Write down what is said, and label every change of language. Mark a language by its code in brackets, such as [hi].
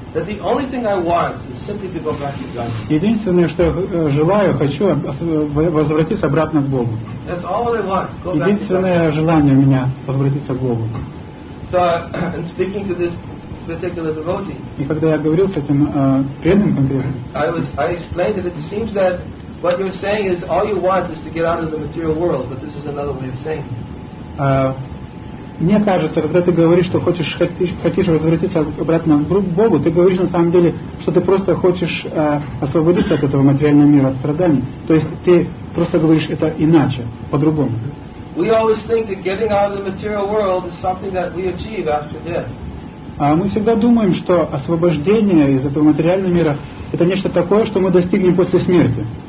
[en] That the only thing I want is simply to go back to God. [ru] Единственное, что я желаю, хочу возвратиться обратно к Богу. [en] That's all that I want. [ru] Единственное желание у меня возвратиться к Богу. [en] So, and speaking to this particular devotee. [ru] И когда я говорил с этим преданным конкретно. [en] I explained that it seems that what you're saying is all you want is to get out of the material world, but this is another way of saying it. [ru] Мне кажется, когда ты говоришь, что хочешь возвратиться обратно к Богу, ты говоришь на самом деле, что ты просто хочешь освободиться от этого материального мира, от страданий. То есть ты просто говоришь это иначе, по-другому. [en] We always think that getting out of the material world is something that we achieve after death. [ru] Мы всегда думаем, что освобождение из этого материального мира – это нечто такое, что мы достигнем после смерти.